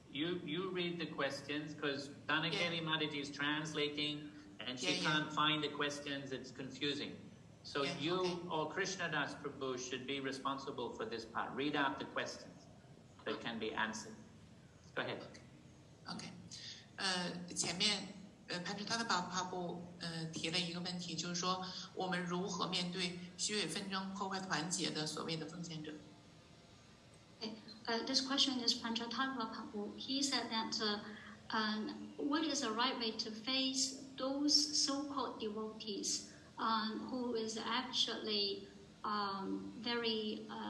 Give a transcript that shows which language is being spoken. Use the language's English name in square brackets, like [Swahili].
[English] You read the questions, because Tanakriya Mataji is translating... And she can't find the questions, it's confusing. So or Krishnadas Prabhu should be responsible for this part. Read out the questions that can be answered. Go ahead. Okay. [Chinese] 前面潘智塔的帕布提了一个问题，就是说我们如何面对虚伪纷争破坏团结的所谓的奉献者。 [English] Okay. This question is Panchatattva Prabhu. He said that what is the right way to face... those so-called devotees who is actually very